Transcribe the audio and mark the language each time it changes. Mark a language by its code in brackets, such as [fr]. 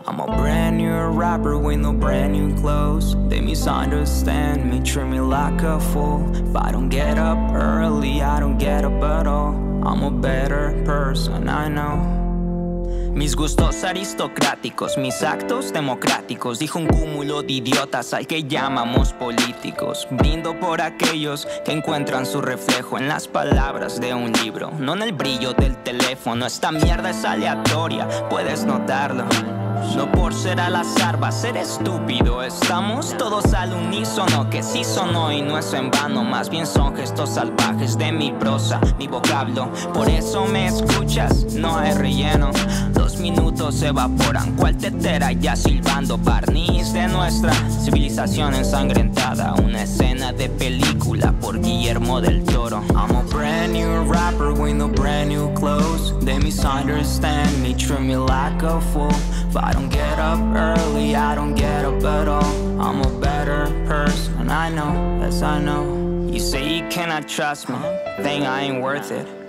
[en] I'm a brand new rapper with no brand new clothes. They misunderstand me, treat me like a fool. If I don't get up early, I don't get up at all. I'm a better person, I know. [es] Mis gustos aristocráticos, mis actos democráticos, dijo un cúmulo de idiotas al que llamamos políticos. Brindo por aquellos que encuentran su reflejo en las palabras de un libro, no en el brillo del teléfono. Esta mierda es aleatoria, puedes notarlo. No por ser al azar va a ser estúpido. Estamos todos al unísono, que sí sonó y no es en vano. Más bien son gestos salvajes de mi prosa, mi vocablo. Por eso me escuchas, no hay relleno. Dos minutos se evaporan, cual tetera ya silbando. Barniz de nuestra civilización ensangrentada, una escena de película por Guillermo del Toro. [en] I'm a brand new rapper with no brand new clothes. They misunderstand me, treat me like a fool. I don't get up early, I don't get up at all. I'm a better person, I know, yes I know. You say you cannot trust me, think I ain't worth it.